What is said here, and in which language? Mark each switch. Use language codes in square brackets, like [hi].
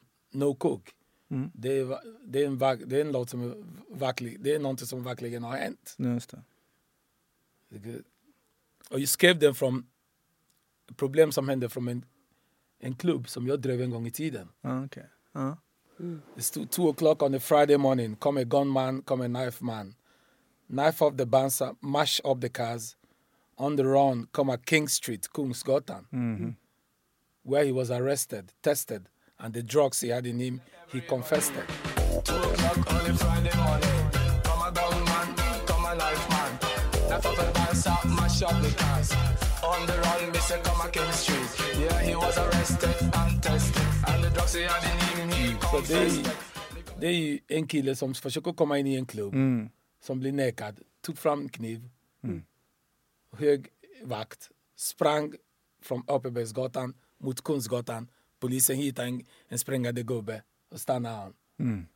[en] No cook. [sv] Det är något som verkligen har hänt. Just det. Och jag skrev den från problem som hände från en klubb som jag drev en gång i tiden. [en] Okay. [sv] Det stod [en] 2 o'clock on a Friday morning. Come a gunman, come a knife man. Knife off the bouncer, mash up the cars. On the run, come a King Street, Kungsgatan. Mm-hmm. Where he was arrested, tested. And the drugs he had in him, he confessed it. 2 o'clock on a Friday morning. Come a gunman, come a knife man. Knife off the bouncer, mash up the cars. On the run, me say come a King Street. Yeah, he was arrested and tested. And the drugs he had in him, he confessed it. [sv] Det är en kille som försöker komma in i en klubb. Mm. Som blir nekad, tog fram kniv, mm. hög vakt, sprang från Öppenbergsgatan mot Kungsgatan. Polisen hittade en sprängande gubbe och stannade han. Mm.